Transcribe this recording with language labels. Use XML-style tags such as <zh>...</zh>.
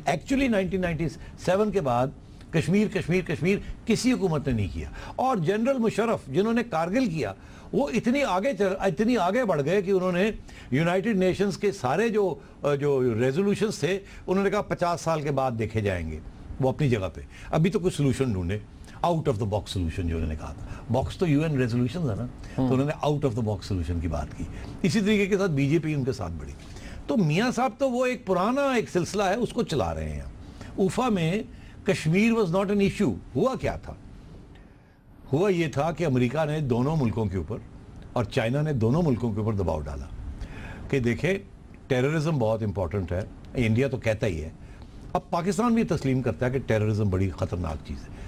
<ur>Actually 1997 کے بعد کشمیر کشمیر کشمیر کسی حکومت نے نہیں کیا, اور جنرل مشرف جنہوں نے کارگل کیا وہ اتنی آگے بڑھ گئے کہ انہوں نے یونائٹڈ نیشنز کے سارے جو ریزولوشنز تھے انہوں نے کہا 50 سال کے بعد دیکھے جائیں گے وہ اپنی جگہ پہ, ابھی تو کچھ solution ڈھونڈے. Out of the box solution جو انہوں نے کہا تھا, باکس تو یو این ریزولوشن ہے نا, تو انہوں نے out of the box solution کی بات کی. اسی طریقے کے ساتھ بی جے پی ان کے ساتھ بڑھی. تو میاں صاحب تو وہ ایک پرانا ایک سلسلہ ہے اس کو چلا رہے ہیں. اوفا میں</ur> <en>Kashmir was not an issue.</en> <ur>ہوا کیا تھا, ہوا یہ تھا کہ امریکہ نے دونوں ملکوں کے اوپر اور چائنا نے دونوں ملکوں کے اوپر دباؤ ڈالا کہ دیکھیں ٹیررزم بہت امپورٹنٹ ہے, انڈیا تو کہتا ہی ہے, اب پاکستان بھی تسلیم کرتا ہے کہ ٹیررزم بڑی خطرناک چیز ہے.</ur>